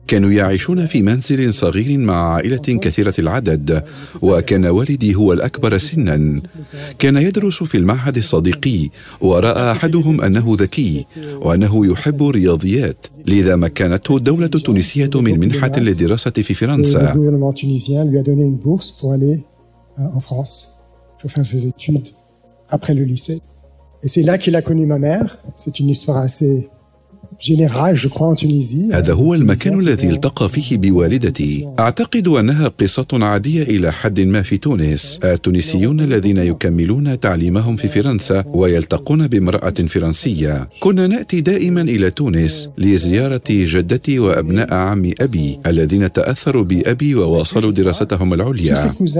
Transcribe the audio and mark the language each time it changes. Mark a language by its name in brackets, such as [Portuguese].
[Arabic] كانوا يعيشون في منزل صغير مع عائلة كثيرة العدد وكان والدي هو الأكبر سنا. كان يدرس في المعهد الصديقي ورأى أحدهم أنه ذكي وأنه يحب الرياضيات لذا مكنته الدولة التونسية من منحة للدراسة في فرنسا. [French] Tunisien lui a donné une bourse pour aller en France pour faire ses études après le lycée. Et c'est là qu'il a connu ma mère. C'est une histoire assez générale, je crois, en Tunisie. [Arabic] هذا هو المكان الذي التقى فيه بوالدتي. أعتقد أنها قصة عادية إلى حد ما في تونس. التونسيون الذين يكملون تعليمهم في فرنسا ويلتقون بامرأة فرنسية. كنا نأتي دائما إلى تونس لزيارة جدتي وأبناء عمي أبي الذين تأثروا بأبي وواصلوا دراستهم العليا.